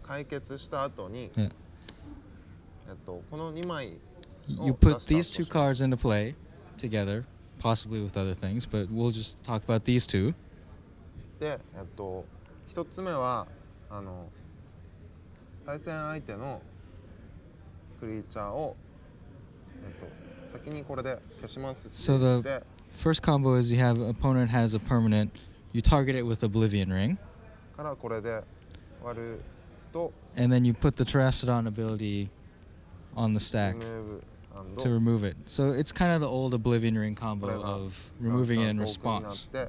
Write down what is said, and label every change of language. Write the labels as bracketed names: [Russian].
[Japanese] 解決した後に、この2枚を出した。 [English] You put these two cards into play together, possibly with other things, but we'll just talk about these two. [Japanese] で、一つ目は対戦相手のクリーチャーを先にこれで消しますって言って。 [English] First combo is you have opponent has a permanent, you target it with Oblivion Ring. [Japanese] からこれで割ると [English] And then you put the Terastodon ability on the stack to remove it. So it's kind of the old Oblivion Ring combo of removing it in response.